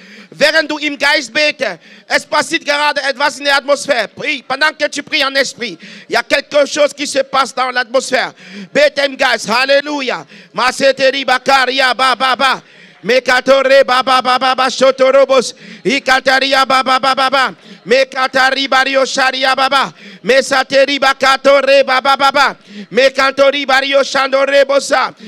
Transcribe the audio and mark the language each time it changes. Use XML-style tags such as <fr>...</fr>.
<de>Während du im Geist betest, es passiert gerade etwas in der Atmosphäre.</de> <fr>Prie, pendant que tu pries en esprit, il y a quelque chose qui se passe dans l'atmosphère.</fr> <de>Bete im Geist, Halleluja. Maseteri bakaria ba ba ba. Me katore ba ba ba ba ba sotorobos. I kataria ba ba ba ba ba. Me katari bario sharia ba ba. Me sateri ba katore ba ba ba ba. Me kantori bario shandore bosa.</de>